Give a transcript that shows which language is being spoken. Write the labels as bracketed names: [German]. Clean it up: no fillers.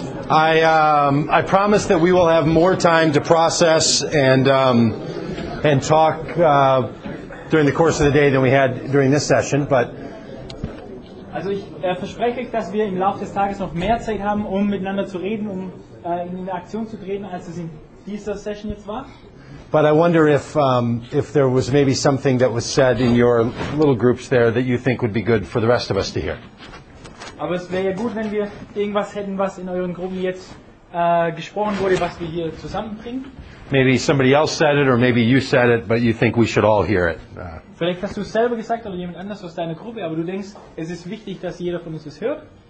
[English] I promise that we will have more time to process and talk during the course of the day than we had during this session, but [German] also ich verspreche, dass wir im Laufe des Tages noch mehr Zeit haben, um miteinander zu reden, um in Aktion zu treten, als es in dieser Session jetzt war. [English] But I wonder if there was maybe something that was said in your little groups there that you think would be good for the rest of us to hear. [German] Aber es wäre ja gut, wenn wir irgendwas hätten, was in euren Gruppen jetzt gesprochen wurde, was wir hier zusammenbringen. [English] Maybe somebody else said it, or maybe you said it, but you think we should all hear it. [German] Vielleicht hast du es selber gesagt oder jemand anders aus deiner Gruppe, aber du denkst, es ist wichtig, dass jeder von uns es hört.